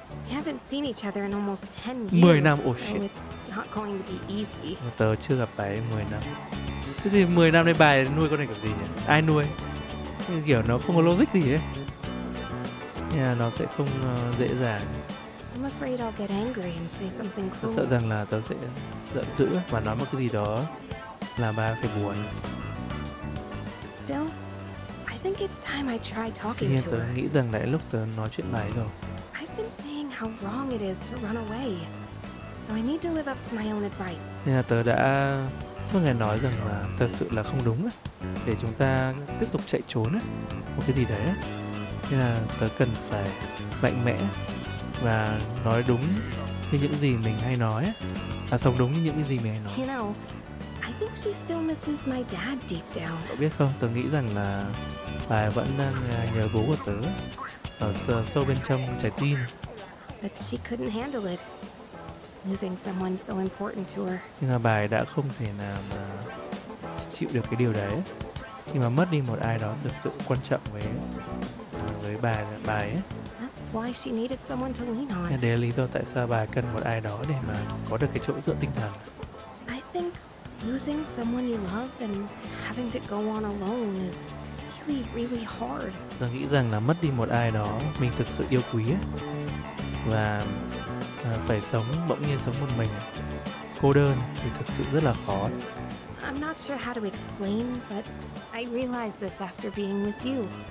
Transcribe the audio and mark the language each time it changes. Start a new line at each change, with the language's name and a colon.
English: We haven't seen each other in almost 10 years.
Vietnamese: 10 năm,
English: oh shit. So it's not going to be easy.
Vietnamese: Tớ chưa gặp bà ấy 10 năm. Thế thì 10 năm nay bà ấy nuôi con này kiểu gì nhỉ? Ai nuôi? Cái kiểu nó không có logic gì ấy. Thế là nó sẽ không dễ dàng.
English: I'm afraid I'll get angry and say something cruel.
Vietnamese: Tớ sợ rằng là tớ sẽ giận dữ và nói một cái gì đó là bà phải buồn.
English: Still, I think it's time I try talking to her.
Vietnamese: Tớ nghĩ rằng là lúc tớ nói chuyện bà ấy rồi.
English: I've been saying how wrong it is to run away. So I need to live up to my own advice.
Vietnamese: Thế là tớ đã suốt ngày nói rằng là thật sự là không đúng ấy, để chúng ta tiếp tục chạy trốn ấy, một cái gì đấy ấy. Thế là tớ cần phải mạnh mẽ và nói đúng như những gì mình hay nói ấy. Và sống đúng như những gì mình hay nói.
English: You know, I think she still misses my dad deep down.
Vietnamese: Cậu biết không, tớ nghĩ rằng là bà vẫn đang nhớ bố của tớ ở sâu bên trong trái tim.
English: But she couldn't handle it. Losing someone so important to her.
Vietnamese: Nhưng mà bà ấy đã không thể nào mà chịu được cái điều đấy. Nhưng mà mất đi một ai đó thực sự quan trọng với bà ấy.
English: That's why she needed someone to lean on.
Vietnamese: Đấy là lý do tại sao bà cần một ai đó để mà có được cái chỗ dựa tinh thần.
English: I think losing someone you love and having to go on alone is really, really hard.
Vietnamese: Tớ nghĩ rằng là mất đi một ai đó mình thực sự yêu quý ấy. Và phải sống bỗng nhiên sống một mình cô đơn thì thực sự rất là khó.
English: I'm not sure how to explain, but I realized this after being with you.